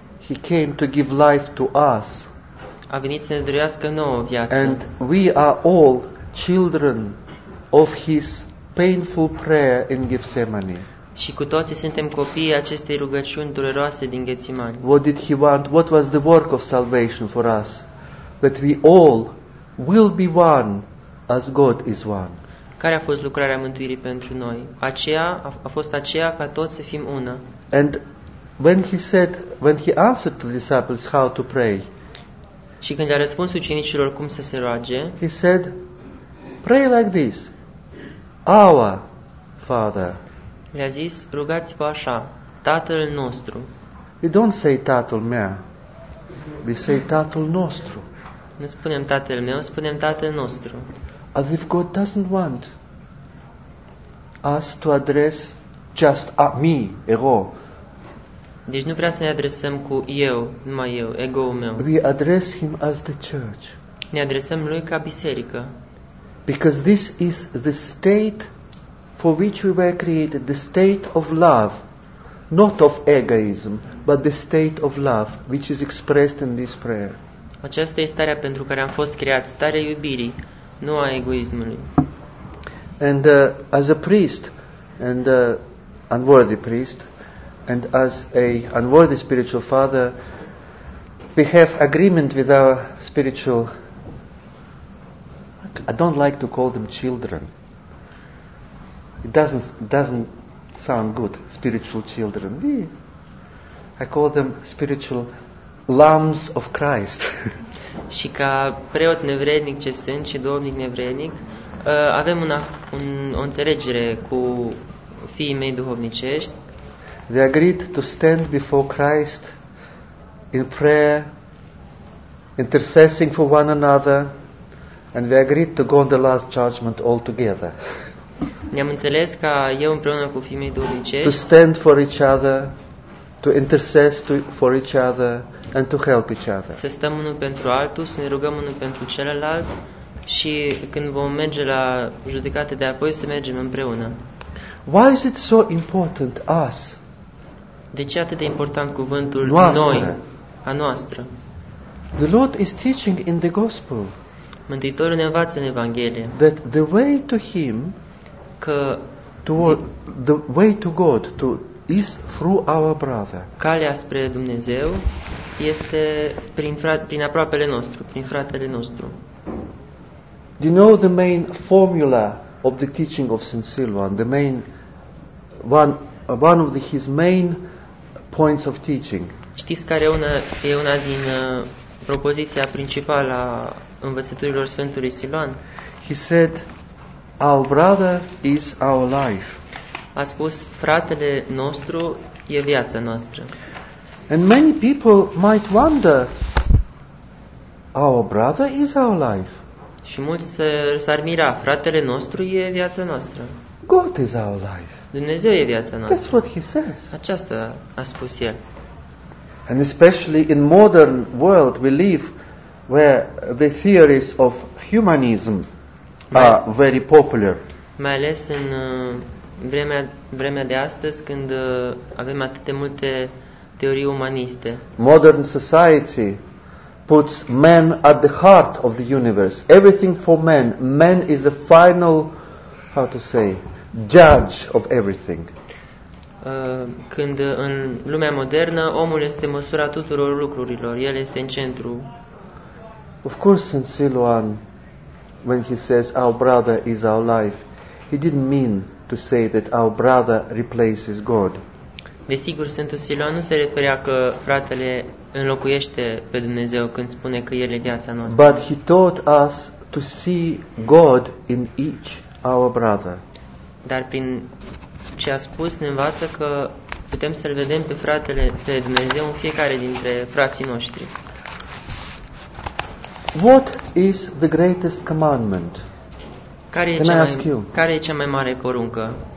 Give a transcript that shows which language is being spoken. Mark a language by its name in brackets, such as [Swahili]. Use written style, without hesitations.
[English] He came to give life to us. [Romanian] A venit să ne dăruiască nouă viață. [English] And we are all children of his painful prayer in Gethsemane. [Romanian] Și cu toții suntem copii acestei rugăciuni dureroase din Ghețimani. [English] What did he want? What was the work of salvation for us? That we all will be one as God is one. [Romanian] Care a fost lucrarea mântuirii pentru noi? Aceea a fost aceea ca toți să fim una. [English] And when he said, when he answered to the disciples how to pray. [Romanian] Și când a răspuns ucenicilor cum să se roage, [English] he said, pray like this. Our Father. [Romanian] Le-a zis, rugați-vă așa, Tatăl nostru. [English] We don't say [Romanian] Tatăl meu. [English] We say [Romanian] Tatăl nostru. Nu spunem Tatăl meu, spunem Tatăl nostru. [English] As if God doesn't want us to address just me, ego. [Romanian] Deci nu vrea să ne adresăm cu eu, numai eu, ego-ul meu. [English] We address him as the church. [Romanian] Ne adresăm lui ca biserică. [English] Because this is the state for which we were created, the state of love, not of egoism, but the state of love, which is expressed in this prayer. [Romanian] Aceasta este starea pentru care am fost creat, starea iubirii, nu a egoismului. [English] And as a priest, and unworthy priest, and as a unworthy spiritual father, we have agreement with our spiritual, I don't like to call them children. It doesn't sound good, spiritual children. I call them spiritual lambs of Christ. [Romanian] Și ca preot nevrednic ce sunt și domnic nevrednic, avem o înțelegere cu fiii mei duhovnicești. [English] They agreed to stand before Christ in prayer, intercessing for one another, and they agreed to go on the last judgment all together. [Romanian] Ne-am înțeles ca eu împreună cu fiii mei duhovnicești [English] to stand for each other, to intercess for each other and to help each other. [Romanian] Să stăm unul pentru altul, să ne rugăm unul pentru celălalt și când vom merge la judecată de apoi să mergem împreună. [English] Why is it so important us? [Romanian] De ce atât de important cuvântul noastră? Noi, a noastră? [English] The Lord is teaching in the gospel. [Romanian] Mântuitorul ne învață în Evanghelie. [English] That the way to him, [Romanian] că [English] the way to God, to is through our brother. [Romanian] Calea spre Dumnezeu este prin aproapele nostru, prin fratele nostru. [English] Do you know the main formula of the teaching of Saint Silvan, the main one of his main points of teaching? [Romanian] Știți care e una din propoziția principală a învățăturilor Sfântului Silvan? [English] He said, our brother is our life. [Romanian] A spus, fratele nostru e viața noastră. [English] And many people might wonder, our brother is our life. [Romanian] Și mulți s-ar mira, fratele nostru e viața noastră. [English] God is our life. [Romanian] Dumnezeu e viața noastră. [English] That's what he says. [Romanian] Aceasta a spus el. [English] And especially in modern world we live where the theories of humanism are very popular. [Romanian] Mai ales în vremea de astăzi când avem atât de multe teorii umaniste. [English] Modern society puts man at the heart of the universe. Everything for man. Man is the final, how to say, judge of everything. [Romanian] Când în lumea modernă omul este măsura tuturor lucrurilor, el este în centru. [English] Of course, Saint Silvan, when he says our brother is our life, he didn't mean to say that our brother replaces God. [Romanian] Desigur, Sfântul Silvan nu se referea că fratele înlocuiește pe Dumnezeu când spune că el e viața noastră. [English] But he taught us to see God in each our brother. [Romanian] Dar prin ce a spus ne învață că putem să-l vedem pe fratele, pe Dumnezeu în fiecare dintre frații noștri. [English] What is the greatest commandment? [Romanian] Care e cea mai mare poruncă?